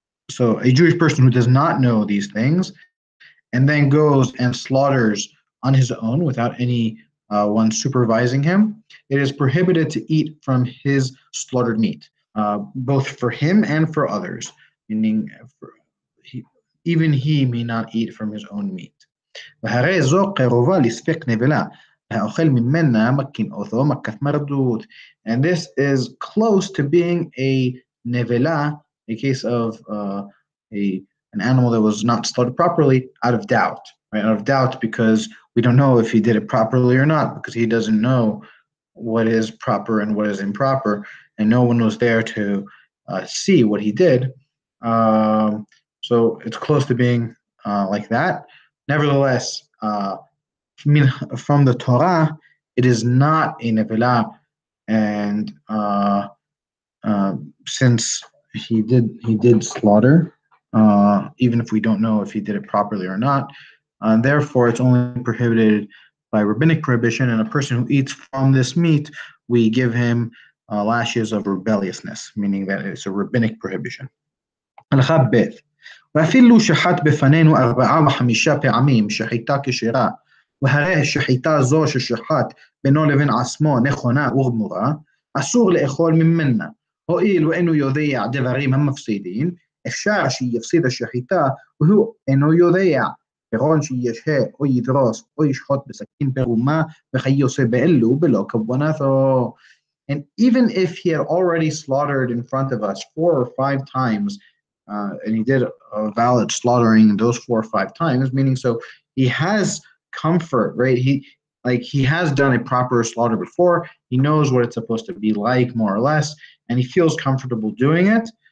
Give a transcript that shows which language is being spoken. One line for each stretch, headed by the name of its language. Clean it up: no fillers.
English: So a Jewish person who does not know these things and then goes and slaughters on his own without any one supervising him, it is prohibited to eat from his slaughtered meat, both for him and for others, meaning even he may not eat from his own meat.
Hebrew: והרי זו קרובה לספק נבלה, והאוכל ממנה מקין אותו מכת מרדות.
English: And this is close to being a nevela, a case of an animal that was not slaughtered properly, out of doubt. Right? Out of doubt because we don't know if he did it properly or not, because he doesn't know what is proper and what is improper, and no one was there to see what he did. So it's close to being like that. Nevertheless, from the Torah, it is not a nevelah, and since he did slaughter, even if we don't know if he did it properly or not, therefore it's only prohibited by rabbinic prohibition, and a person who eats from this meat, we give him lashes of rebelliousness, meaning that it's a rabbinic prohibition. Halacha Bet.
Hebrew: ואפילו שחט בפנינו ארבעה וחמישה פעמים שחיטה כשרה, והרי שחיטה זו ששחט בינו לבין עצמו נכונה וגמורה, אסור לאכול ממנה. הואיל ואינו יודע דברים המפסידים, אפשר שיפסיד השחיטה, והוא אינו יודע, כגון שישהה או ידרוס או ישחוט בסכין פרומה, וכיוצא באלו בלא כוונתו.
English: And even if he had already slaughtered in front of us four or five times, and he did a valid slaughtering those four or five times, meaning so he has comfort, right? He has done a proper slaughter before. He knows what it's supposed to be like, more or less, and he feels comfortable doing it.